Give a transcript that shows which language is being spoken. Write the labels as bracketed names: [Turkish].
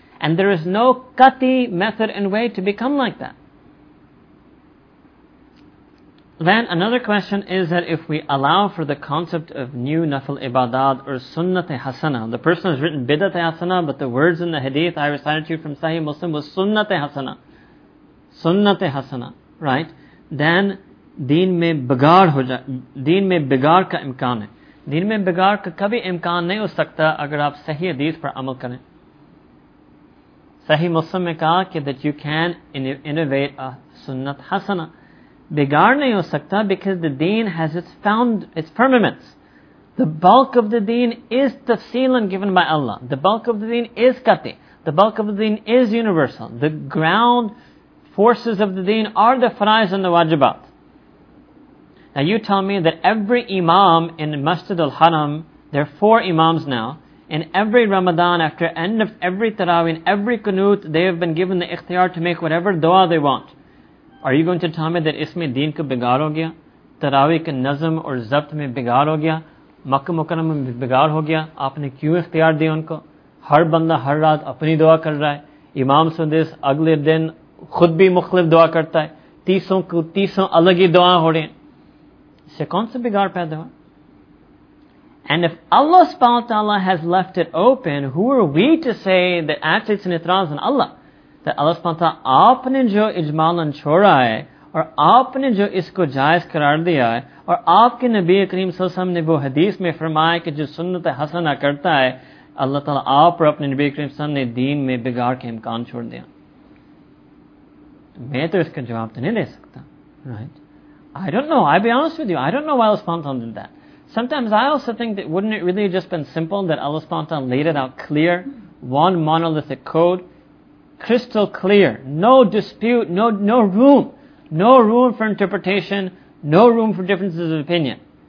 [English] And there is no qati method and way to become like that. Then another question is that if we allow for the concept of new nafil ibadat or sunnat-e-hasana, the person has written bidat-e-hasana, but the words in the hadith I recited to you from Sahih Muslim was sunnat-e-hasana. [Urdu] سنت حسنہ، [English] right? Then [Urdu] دین میں بگاڑ کا امکان ہے۔ دین میں بگاڑ کا کبھی امکان نہیں ہو سکتا اگر آپ صحیح حدیث پر عمل کریں۔ صحیح مسلم میں کہا کی [English] that you can innovate a [Urdu] سنت حسنہ۔ Bigaar nahi ho sakta [English] because the deen has its firmaments. The bulk of the deen is tafseelan given by Allah. The bulk of the deen is qati. The bulk of the deen is universal. The ground forces of the deen are the faraiz and the wajibat. Now you tell me that every imam in Masjid al-Haram, there are 4 imams now, in every Ramadan, after end of every Taraweeh, in every Qunut, they have been given the ikhtiyar to make whatever dua they want. Are you going to tell me that [Urdu] اسمے دین کا بگاڑ ہو گیا؟ تراویح کا نظم اور ضبط میں بگاڑ ہو گیا؟ مکہ مکرم میں بگاڑ ہو گیا؟ آپنے کیوں اختیار دیا انکو؟ ہر بندہ ہر رات اپنی دعا کر رہا ہے۔ امام سندیس اگلے دن خود بھی مخلف دعا کرتا ہے۔ तीसों को तीसों अलग ही दुआ हो रही, इससे कौन सा बिगाड़ पैदा हुआ? [English] And if Allah subhanahu wa ta'ala has left it open, who are we to say that actually it's an itraz on Allah? That [Urdu] اللہ سبحانہ و تعالیٰ آپنے جو اجمالاً چھوڑا ہے، اور آپنے جو اسکو جائز قرار دیا ہے، اور آپکے نبی اکرم صلی اللہ علیہ وسلم نے وہ حدیث میں فرمایا کی جو سنت حسنہ کرتا ہے، اللہ تعالیٰ آپ اور اپنے نبی اکرم صلی اللہ علیہ وسلم نے دین میں بگاڑ کے امکان چھوڑ دیا۔ میں تو اسکا جواب تو نہیں لے سکتا۔ [English] Right? I don't know, I'll be honest with you, I don't know why Allah subhanahu wa ta'ala did that. Sometimes I also think that wouldn't it really have just been simple that Allah subhanahu wa ta'ala laid it out clear, one monolithic code, crystal clear, no dispute, no room for interpretation, no room for differences of opinion.